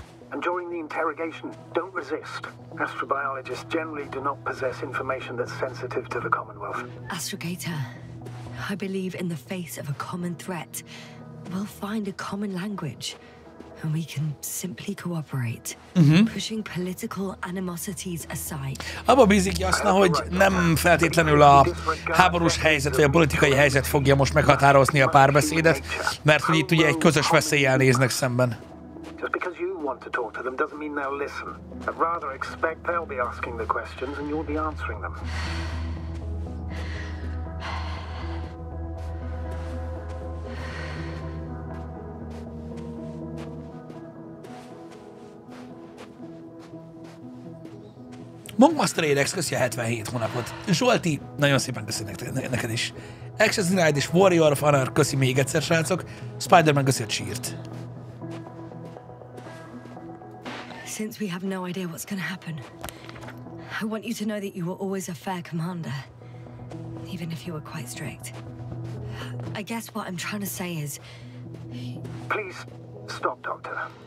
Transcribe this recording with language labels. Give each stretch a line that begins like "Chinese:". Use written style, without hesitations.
English: And during the interrogation, don't resist. Astrobiologists generally do not possess information that's sensitive to the Commonwealth. Astrogator, I believe in the face of a common threat, we'll find a common language, and we can simply cooperate, pushing political animosities aside.
Hungarian: Abba bízik Jasna, hogy nem feltétlenül a háborús helyzet vagy a politikai helyzet fogja most meghatározni a párbeszédet, mert hogy itt ugye egy közös veszéllyel néznek szemben.
English: Want to talk to them doesn't mean they'll listen. I'd rather expect they'll be asking the questions and you'll be answering them.
Hungarian: Monkmaster Alex, köszi a 77 hónapot. Zsolti, nagyon szépen köszi neked is. Access Denied és Warrior of Honor, köszi még egyszer, srácok. Spider-Man, köszi a cheert.
English: Since we have no idea what's going to happen, I want you to know that you were always a fair commander, even if you were quite strict. I guess what I'm trying to say is... Please stop, Doctor.